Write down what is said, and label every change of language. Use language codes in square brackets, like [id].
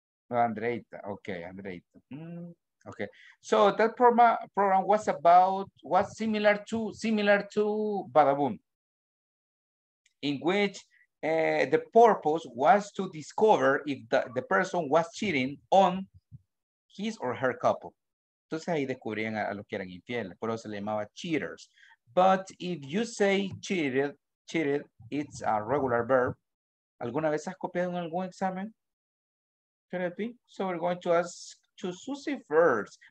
[en] Andreita, okay, Andreita. Okay, so that program was similar to Badaboom, in which the purpose was to discover if the person was cheating on his or her couple. [es] Entonces ahí descubrían a los que eran infieles, por eso se le llamaba Cheaters. [en] But if you say cheated, it's a regular verb. [es] ¿Alguna vez has copiado en algún examen? [en] Could it be? So we're going to ask to Susie first.